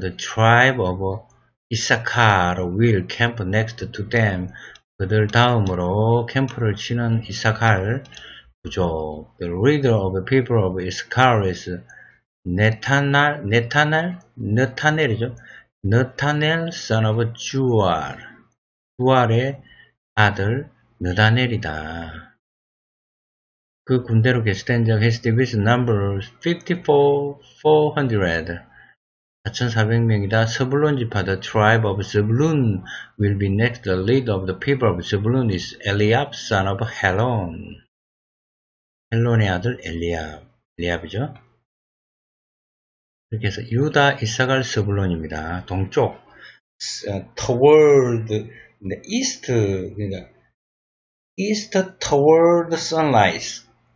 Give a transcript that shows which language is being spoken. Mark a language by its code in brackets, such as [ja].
[en] The tribe of Issachar will camp next to them. [ko] 그들 다음으로 캠프를 치는 이사갈 부족. [en] The leader of the people of Issachar is Netanel. Netanel이죠. Netanel son of Juar. [ko] 주알의 아들 느다넬이다. 그 군대로 계수된 자 [en] his division number 54,400. [ko] 4,400명이다. 스불론 지파 [en] the tribe of Zebulun will be next. The leader of the people of Zebulun is Eliab son of Helon. [ko] 헬론의 아들 엘리압이죠. 이렇게 해서 유다 이사갈 스불론입니다. 동쪽 [en] toward the east [ko] 그러니까 [en] East toward sunrise.